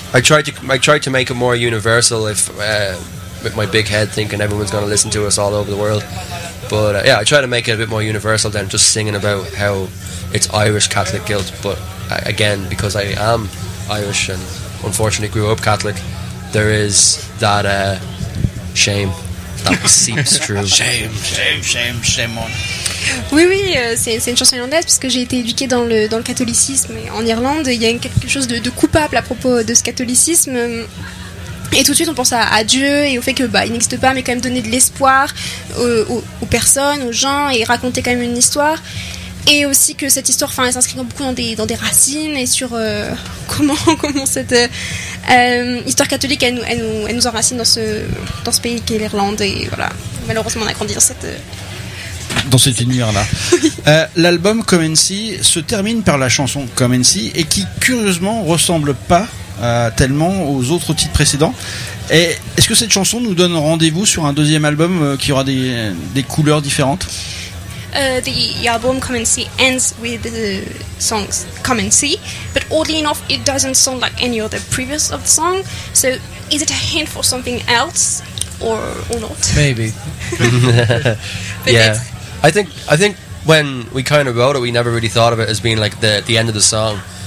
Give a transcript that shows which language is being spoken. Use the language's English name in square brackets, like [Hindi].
[English] I tried to make it more universal with my big head thinking everyone's going to listen to us all over the world, but yeah, I try to make it a bit more universal than just singing about how it's Irish Catholic guilt. But again, because I am Irish and unfortunately grew up Catholic, there is that shame that seeps through. Shame on. [French] Oui, c'est une chanson irlandaise parce que j'ai été éduquée dans le catholicisme en Irlande. Il y a quelque chose de coupable à propos de ce catholicisme. Et tout de suite, on pense à Dieu et au fait que il n'existe pas, mais quand même donner de l'espoir aux personnes, aux gens, et raconter quand même une histoire. Et aussi que cette histoire, enfin, elle s'inscrit beaucoup dans des racines et sur comment cette histoire catholique elle nous enracine dans ce pays qui est l'Irlande, et voilà, malheureusement on a grandi dans cette univers là. L'album Come and See se termine par la chanson Come and See, et qui curieusement ressemble pas tellement aux autres titres précédents. Et est-ce que cette chanson nous donne rendez-vous sur un deuxième album qui aura des couleurs différentes? [English] The album Come and See ends with the songs Come and See, but oddly enough, it doesn't sound like any other previous of the song. So, is it a hint for something else, or not? Maybe. Yeah, I think when we kind of wrote it, we never really thought of it as being like the end of the song.